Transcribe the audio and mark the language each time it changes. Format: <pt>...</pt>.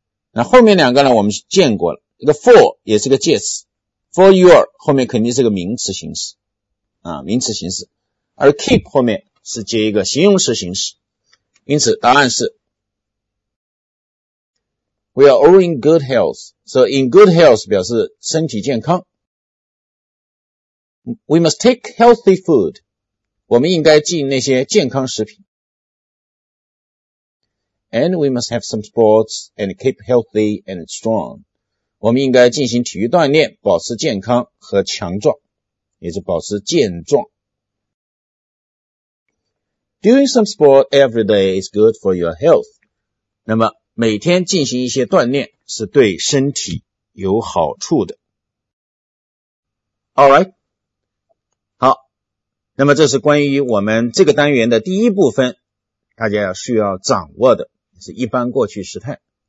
<zh>那后面两个呢我们见过了，一个 for 也是个介词， for your 后面肯定是个名词形式啊，名词形式，而 keep 后面是接一个形容词形式，因此答案是</zh> <en>We are all in good health. So in good health 表示身体健康。 We must take healthy food.</en> <zh>我们应该进那些健康食品。</zh> <en>And we must have some sports and keep healthy and strong.</en> <zh>我们应该进行体育锻炼，保持健康和强壮，也是保持健壮。</zh> <en>Doing some sport every day is good for your health.</en> <zh>那么每天进行一些锻炼是对身体有好处的。</zh> <en>Alright,</en> <zh>好，那么这是关于我们这个单元的第一部分，大家需要掌握的是一般过去时态。</zh>